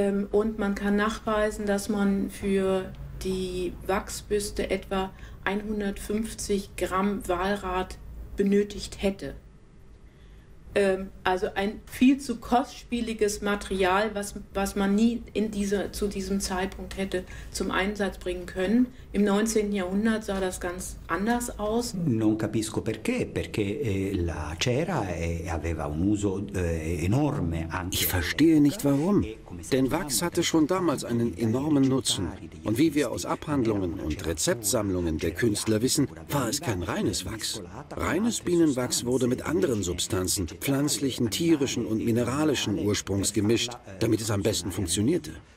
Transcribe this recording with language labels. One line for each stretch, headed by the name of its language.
German: Und man kann nachweisen, dass man für die Wachsbüste etwa 150 Gramm Walrat benötigt hätte. Also ein viel zu kostspieliges Material, was man nie zu diesem Zeitpunkt hätte zum Einsatz bringen können. Im 19. Jahrhundert sah das ganz anders aus.
Italian: Non capisco perché, perché la cera aveva un uso enorme.
German: Ich verstehe nicht warum, denn Wachs hatte schon damals einen enormen Nutzen. Und wie wir aus Abhandlungen und Rezeptsammlungen der Künstler wissen, war es kein reines Wachs. Reines Bienenwachs wurde mit anderen Substanzen, pflanzlichen, tierischen und mineralischen Ursprungs gemischt, damit es am besten funktionierte.